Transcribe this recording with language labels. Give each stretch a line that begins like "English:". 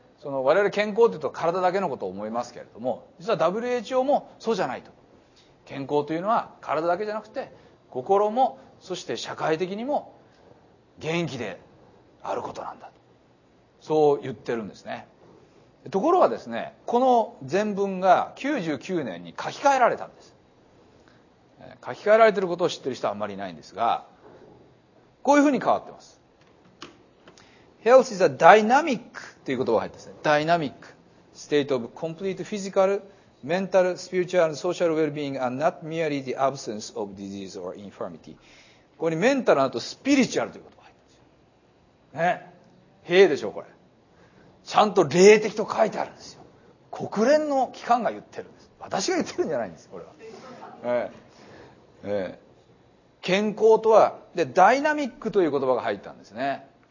Japanese: その我々健康というと体だけのことを思いますけれども、実は WHO もそうじゃないと、健康というのは体だけじゃなくて心も、そして社会的にも元気であることなんだと、そう言ってるんですね。ところがですね、この全文が99年に書き換えられたんです。書き換えられてることを知ってる人はあんまりいないんですが、こういうふうに変わってます。
English: Health is a dynamic
Japanese: っていう言葉が入ってますね。
English: Dynamic state of complete physical, mental, spiritual and social well-being and not merely the absence of disease or infirmity。
Japanese: ここにメンタルのあとスピリチュアルという言葉が入ってますね。平でしょう、これちゃんと霊的と書いてあるんですよ。国連の機関が言ってるんです。私が言ってるんじゃないんです、これは。健康とは、でダイナミックという言葉が入ったんですね。